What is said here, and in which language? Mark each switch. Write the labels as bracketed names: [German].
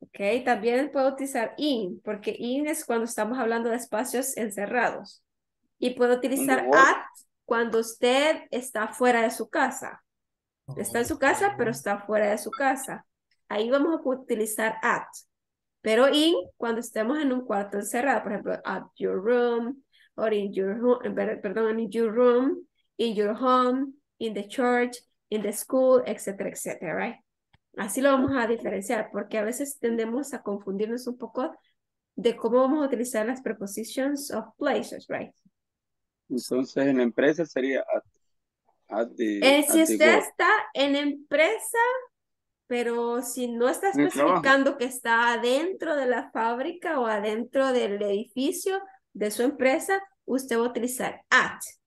[Spanish] Okay, también puedo utilizar in, porque in es cuando estamos hablando de espacios encerrados. Y puedo utilizar at cuando usted está fuera de su casa. Está en su casa, pero está fuera de su casa. Ahí vamos a utilizar at. Pero in, cuando estemos en un cuarto encerrado. Por ejemplo, [English] at your room, or in your home, perdón, in your room, in your home, in the church, in the school, etcétera, etcétera, right? [Spanish] Así lo vamos a diferenciar, porque a veces tendemos a confundirnos un poco de cómo vamos a utilizar las prepositions of places, right? Entonces, en la empresa sería at. Si usted está en empresa, pero si no está especificando que está adentro de la fábrica o adentro del edificio de su empresa, usted va a utilizar at.